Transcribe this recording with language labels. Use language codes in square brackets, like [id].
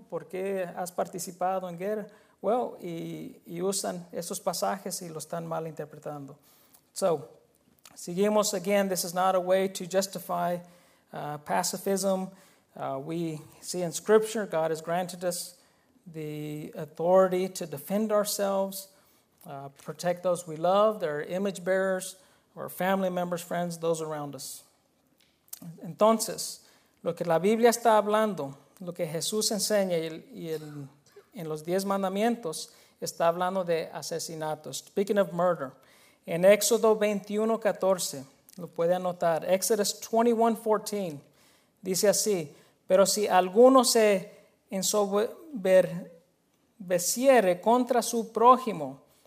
[es] ¿Por qué has participado en guerra? Well, y usan esos pasajes y lo están mal interpretando. [en] So, [es] seguimos, [en] again, this is not a way to justify pacifism. We see in Scripture God has granted us the authority to defend ourselves, protect those we love, their image bearers, or family members, friends, those around us. [es] Entonces, lo que la Biblia está hablando, lo que Jesús enseña en los 10 mandamientos, está hablando de asesinato. [en] Speaking of murder, [es] en Éxodo 21:14. Lo puede anotar. Exodus 21:14 dice así: pero si alguno se ensoberbeciere contra su prójimo